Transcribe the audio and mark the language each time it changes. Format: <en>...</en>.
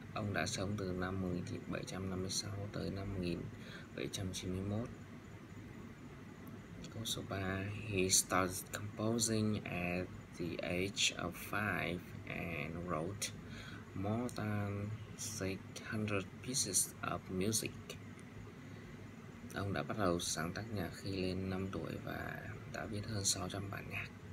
<vi>Ông đã sống từ năm 1756 tới năm 1791. Câu số 3,</vi> <en>he started composing at the age of 5 and wrote more than 600 pieces of music.</en> <vi>Ông đã bắt đầu sáng tác nhạc khi lên 5 tuổi và đã viết hơn 600 bản nhạc.</vi>